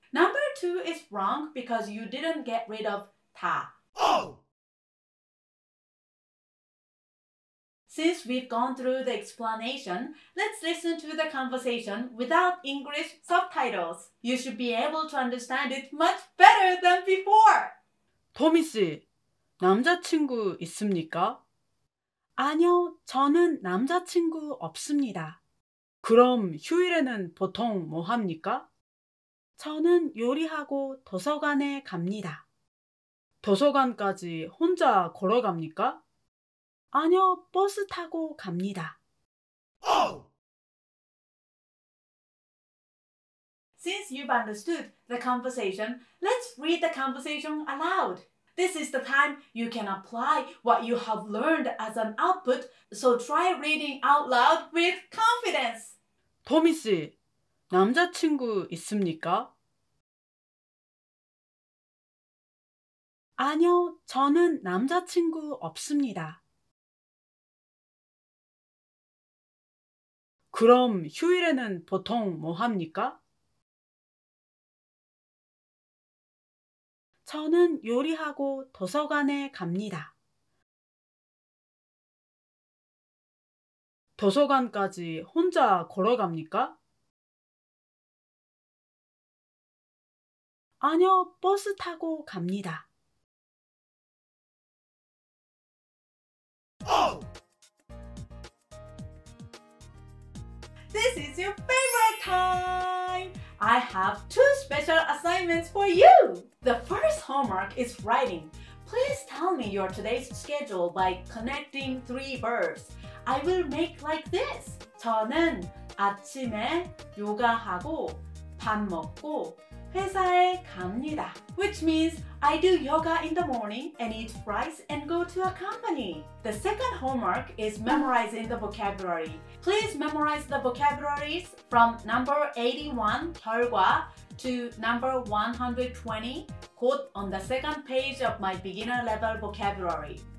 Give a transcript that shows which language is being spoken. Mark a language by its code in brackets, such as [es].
[en] Number two is wrong because you didn't get rid of 다. Oh! Since we've gone through the explanation, let's listen to the conversation without English subtitles. You should be able to understand it much better than before. [ko] 도미 씨, 남자친구 있습니까? 아니요, 저는 남자친구 없습니다. 그럼 휴일에는 보통 뭐 합니까? 저는 요리하고 도서관에 갑니다. 도서관까지 혼자 걸어갑니까? 아니요, 버스 타고 갑니다. [en] Since you've understood the conversation, let's read the conversation aloud. This is the time you can apply what you have learned as an output, so try reading out loud with confidence. [ko] 도미 씨, 남자친구 있습니까? 아니요, 저는 남자친구 없습니다. 그럼 휴일에는 보통 뭐 합니까? 저는 요리하고 도서관에 갑니다. 도서관까지 혼자 걸어갑니까? 아니요, 버스 타고 갑니다. [en] This is your favorite time! I have two special assignments for you! The first homework is writing. Please tell me your today's schedule by connecting three verbs. I will make like this. [ko] 저는 아침에 요가하고 밥 먹고 회사에 갑니다. [en] Which means I do yoga in the morning and eat rice and go to a company. The second homework is memorizing the vocabulary. Please memorize the vocabularies from number 81, 결과, to number 120, quote on the second page of my beginner level vocabulary.